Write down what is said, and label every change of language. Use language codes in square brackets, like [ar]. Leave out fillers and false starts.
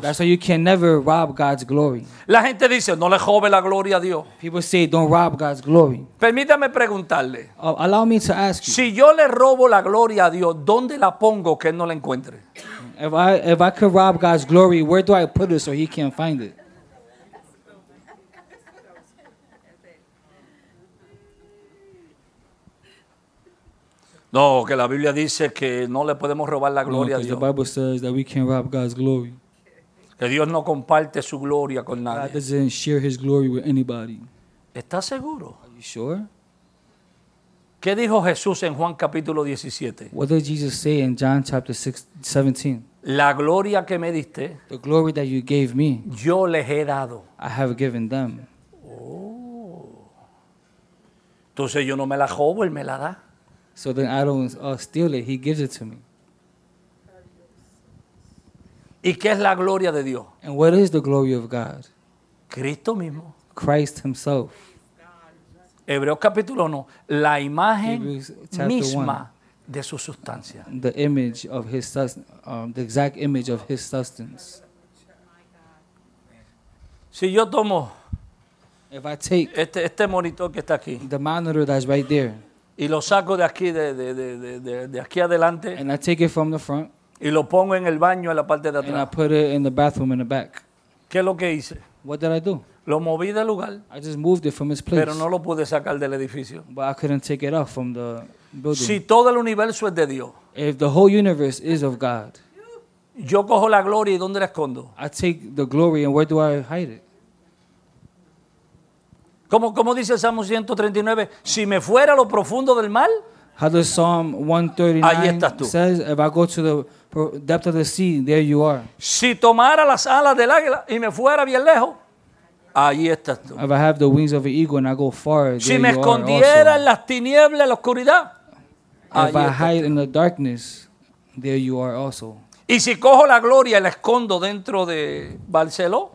[en] That's why you can never rob God's glory. [es] La gente dice, no le robe la gloria a Dios. [en] People say, don't rob God's glory. [es] Permítame preguntarle. [en] Allow me to ask you. [es] Si yo le robo la gloria a Dios, ¿dónde la pongo que él no la encuentre? [en] If I could rob God's glory, where do I put it so He can't find it? [es] No, que la Biblia dice que no le podemos robar la gloria a Dios. [en] The Bible says that we can't rob God's glory. [es] Que Dios no comparte su gloria con nadie. [en] God doesn't share His glory with anybody. [es] ¿Estás seguro? [en] Are you sure? [es] ¿Qué dijo Jesús en Juan capítulo 17? [en] What did Jesus say in John chapter 17? [es] La gloria que me diste, [en] the glory that you gave me, [es] yo les he dado. [en] I have given them. Oh. [es] Entonces yo no me la robo, Él me la da. [en] So then I don't steal it, He gives it to me. [es] ¿Y qué es la gloria de Dios? [en] And what is the glory of God? [es] Cristo mismo. [en] Christ himself. [es] Hebreos capítulo 1, la imagen misma de su sustancia. [en] The image of his the exact image of his substance. [es] Si yo tomo [en] if I take [es] este monitor que está aquí, [en] the monitor that's right there, [es] y lo saco de aquí de aquí adelante, [en] and I take it from the front, [es] y lo pongo en el baño en la parte de atrás, [en] and I put it in the bathroom in the back. [es] ¿Qué es lo que hice? [en] What did I do? [es] Lo moví de lugar. [en] I just moved it from its place. [es] Pero no lo pude sacar del edificio. [en] But I couldn't take it out from the building. [es] Si todo el universo es de Dios. [en] If the whole universe is of God. [es] Yo cojo la gloria y ¿dónde la escondo? [en] I take the glory and where do I hide it? [es] ¿Cómo dice el Salmo 139? Si me fuera a lo profundo del mal. [en] How does Psalm 139 [es] ahí estás tú. [en] Says, if I go to the depth of the sea, there you are. [es] Si tomara las alas del águila y me fuera bien lejos. Ahí estás tú. [en] If I have the wings of an eagle and I go far, [es] si [en] there [es] me [en] you [es] escondiera [en] are [es] en las tinieblas, la oscuridad. [en] If I hide in the darkness, there you are also. [es] Y si cojo la gloria y la escondo dentro de Barceló.